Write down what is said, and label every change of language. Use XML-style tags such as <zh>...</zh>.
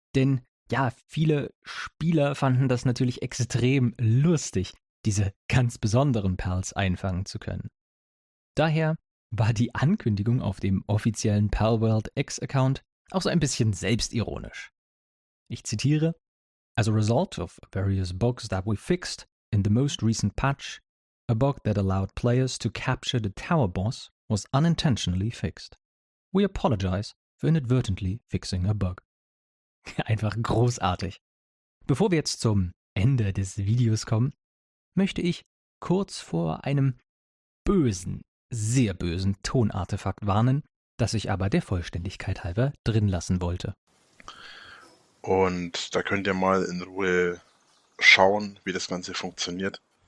<de>Denn ja, viele Spieler fanden das natürlich extrem lustig, diese ganz besonderen Perls einfangen zu können. Daher war die Ankündigung auf dem offiziellen Perlworld X-Account auch so ein bisschen selbstironisch. Ich zitiere:</de> <en>"As a result of various bugs that we fixed in the most recent patch, a bug that allowed players to capture the tower boss was unintentionally fixed. We apologize for inadvertently fixing a bug."</en> <de>Einfach großartig. Bevor wir jetzt zum Ende des Videos kommen, möchte ich kurz vor einem bösen, sehr bösen Tonartefakt warnen, das ich aber der Vollständigkeit halber drin lassen wollte. Und da könnt ihr mal in Ruhe schauen, wie das Ganze funktioniert.</de>